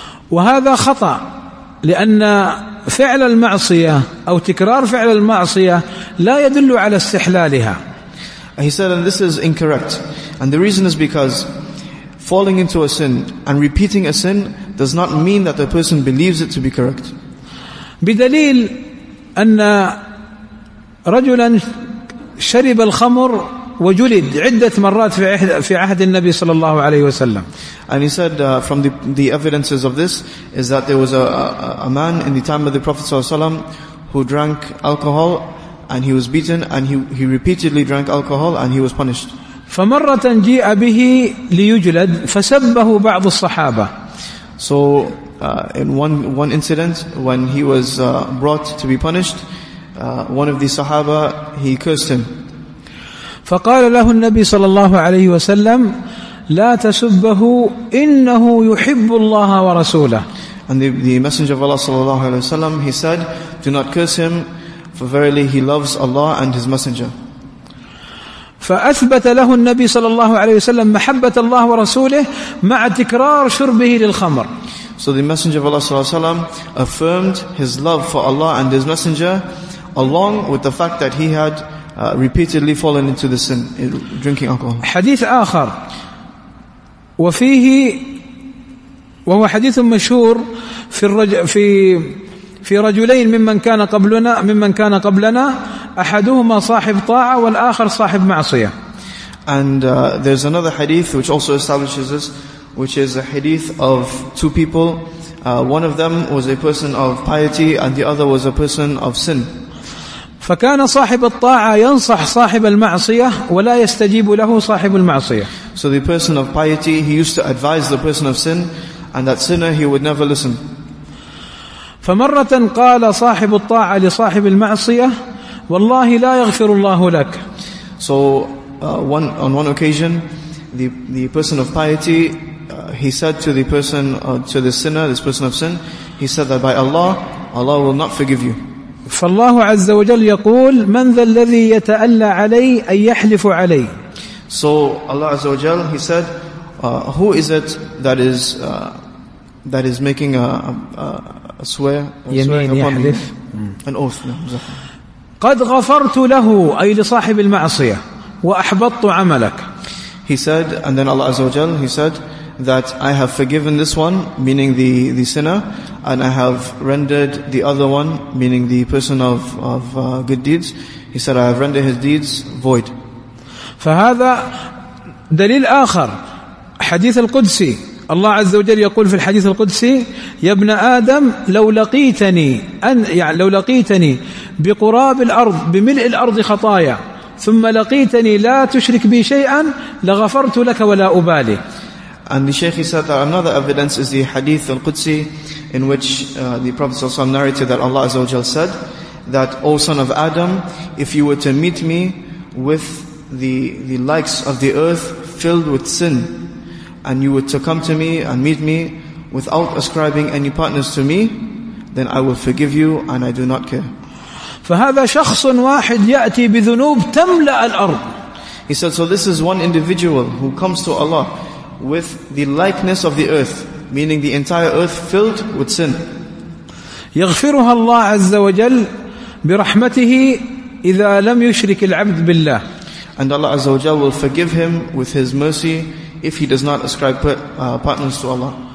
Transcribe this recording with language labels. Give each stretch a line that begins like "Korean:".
Arabic: وهذا خطأ، لأن فعل المعصية أو تكرار فعل المعصية لا يدل على استحلالها.
English: He said, and this is incorrect, and the reason is because falling into a sin and repeating a sin does not mean that the person believes it to be correct.
Arabic: بدليل أن رجلا شرب الخمر وجلد عدة مرات في عهد النبي صلى الله عليه وسلم.
English: And he said from the evidences of this is that there was a man in the time of the Prophet
Arabic: صلى الله عليه وسلم
English: who drank alcohol and he was beaten and he repeatedly drank alcohol and he was punished.
Arabic: فمرة جاء به ليجلد فسبه بعض الصحابة.
English: So in one incident when he was brought to be punished, one of the Sahaba, he cursed him.
Arabic: فقال له النبي صلى الله عليه وسلم لا تسبه إنه يحب الله ورسوله.
English: And the Messenger of Allah
Arabic: صلى الله عليه وسلم,
English: he said, do not curse him, for verily he loves Allah and his Messenger.
Arabic: فأثبت له النبي صلى الله عليه وسلم محبة الله ورسوله مع تكرار شربه للخمر.
English: So the Messenger of Allah
Arabic: صلى الله عليه وسلم
English: affirmed his love for Allah and his Messenger along with the fact that he had repeatedly fallen into the sin, drinking alcohol.
Arabic: حديث آخر وفيه وهو حديث مشهور في في رجلين ممن كان قبلنا أحدهما صاحب طاعة والآخر صاحب معصية.
English: And there's another hadith which also establishes this, which is a hadith of two people. One of them was a person of piety and the other was a person of sin.
Arabic: فكان صاحب الطاعة ينصح صاحب المعصية ولا يستجيب له صاحب المعصية.
English: So the person of piety, he used to advise the person of sin, and that sinner he would never listen.
Arabic: فمرة قال صاحب الطاعة لصاحب المعصية والله لا يغفر الله لك.
English: So on one occasion the person of piety he said to the person to the sinner, this person of sin, he said that by Allah will not forgive you.
Arabic: فالله عز وجل يقول من ذا الذي يتألى علي أن يحلف علي.
English: So Allah
Arabic: عز وجل,
English: he said, who is it that is making a swear,
Arabic: يمين
English: swear
Arabic: يحلف
English: an oath. No,
Arabic: قد غفرت له أي لصاحب المعصية وأحبطت عملك.
English: He said, and then Allah
Arabic: عز وجل,
English: he said that I have forgiven this one, meaning the sinner, and I have rendered the other one, meaning the person of good deeds, he said, I have rendered his deeds void.
Arabic: فهذا دليل آخر. حديث القدسي، الله عز وجل يقول في الحديث القدسي يا ابن آدم لو لقيتني أن يعني لو لقيتني بقراب الأرض بملء الأرض خطايا ثم لقيتني لا تشرك بي شيئا لغفرت لك ولا أبالي.
English: And the Shaykh said that another evidence is the Hadith al-Qudsi in which the Prophet ﷺ narrated that Allah
Arabic: Azza wa Jal
English: said that, O son of Adam, if you were to meet me with the likes of the earth filled with sin, and you were to come to me and meet me without ascribing any partners to me, then I will forgive you and I do not care.
Arabic: فهذا شخص واحد يأتي بذنوب تملأ الأرض.
English: He said, so this is one individual who comes to Allah with the likeness of the earth, meaning the entire earth filled with sin.
Arabic: يغفرها الله عز وجل برحمته إذا لم يشرك العبد بالله.
English: And Allah
Arabic: عز وجل
English: will forgive him with his mercy if he does not ascribe partners to Allah.